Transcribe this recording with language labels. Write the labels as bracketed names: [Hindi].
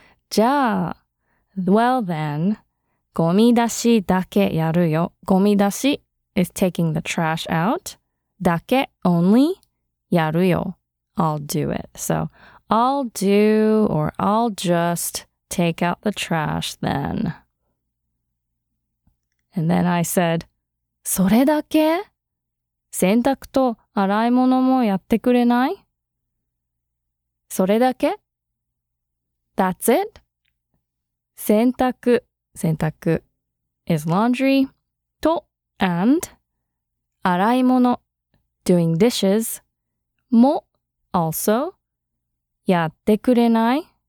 [Japanese] じゃあ、 [English] well then, [Japanese] ゴミ出しだけやるよ。 [English] ゴミ出し is taking the trash out. だけ only [Japanese] やるよ。 [English] I'll do it. So, I'll do or I'll just take out the trash then. And then I said, [Japanese] それだけ? 洗濯と洗い物もやってくれない? それだけ? [English] That's it? 洗濯、洗濯 is laundry, と、and, [Japanese] 洗い物 [English] doing dishes, も、also, [Japanese] やってくれない?